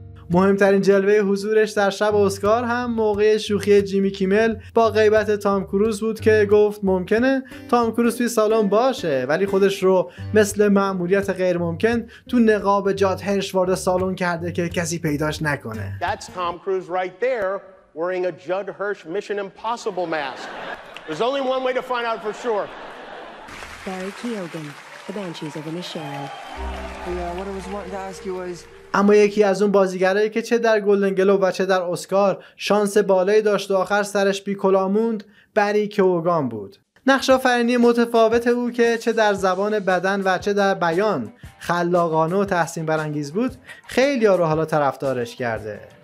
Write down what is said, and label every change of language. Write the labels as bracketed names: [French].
[Persian] مهمترین جلوه حضورش در شب اسکار هم موقع شوخی جیمی کیمل با غیبت تام کروز بود که گفت ممکنه تام کروز توی سالن باشه، ولی خودش رو مثل مأموریت غیر ممکن تو نقاب جاد هرش وارد سالن کرده که کسی پیداش نکنه. [English] That's Tom Cruise right there wearing a Judd Hirsch Mission Impossible mask. There's only one way to find out for sure. Barry Keoghan, The Banshees of Inisherin. Yeah, what I was wanting to ask you was... [Persian] اما یکی از اون بازیگرایی که چه در گلدن گلوب و چه در اسکار شانس بالایی داشت و آخر سرش بی کلا موند، بری کوگان بود. نقش آفرینی متفاوت او که چه در زبان بدن و چه در بیان خلاقانه و تحسین برانگیز بود، خیلی ها رو حالا طرفدارش کرده.